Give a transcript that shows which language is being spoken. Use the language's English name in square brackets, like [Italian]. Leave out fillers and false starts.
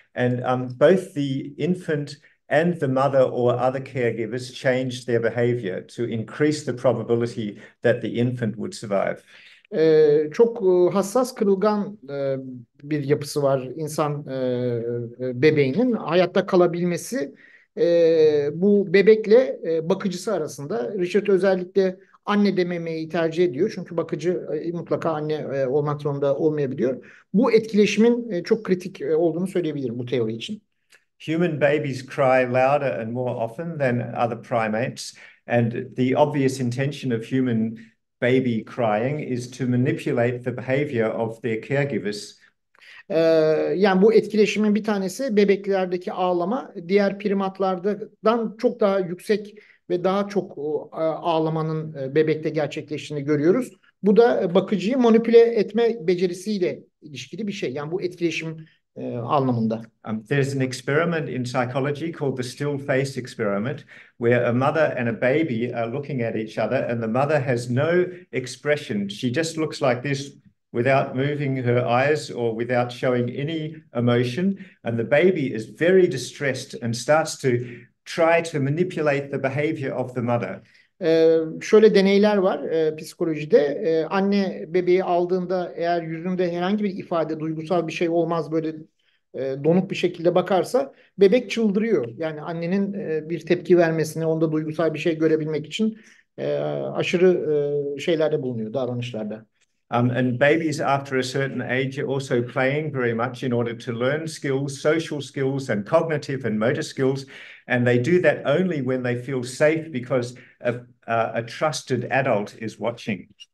[English] And both the infant and the mother or other caregivers changed their behavior to increase the probability that the infant would survive. [Turkish] Çok hassas, kırılgan bir yapısı var insan bebeğinin hayatta kalabilmesi. Bu bebekle bakıcısı arasında Richard özellikle anne dememeyi tercih ediyor. Çünkü bakıcı mutlaka anne olmak zorunda olmayabiliyor. Bu etkileşimin çok kritik olduğunu söyleyebilirim bu teori için. [English] Human babies cry louder and more often than other primates, and the obvious intention of human baby crying is to manipulate the behavior of their caregivers. [Turkish] Yani bu etkileşimin bir tanesi bebeklerdeki ağlama, diğer primatlardan çok daha yüksek ve daha çok ağlamanın bebekte gerçekleştiğini görüyoruz. Bu da bakıcıyı manipüle etme becerisiyle ilişkili bir şey. Yani bu etkileşim anlamında. [English] There's an experiment in psychology called the still face experiment, where a mother and a baby are looking at each other, and the mother has no expression. She just looks like this without moving her eyes or without showing any emotion. And the baby is very distressed and starts to try to manipulate the behavior of the mother. [Turkish] Şöyle deneyler var psikolojide. Anne bebeği aldığında eğer yüzünde herhangi bir ifade, duygusal bir şey olmaz, böyle donuk bir şekilde bakarsa bebek çıldırıyor. Yani annenin bir tepki vermesine, onda duygusal bir şey görebilmek için aşırı şeylerde bulunuyor, davranışlarda. [English] And babies after a certain age are also playing very much in order to learn skills, social skills, and cognitive and motor skills. And they do that only when they feel safe because a trusted adult is watching.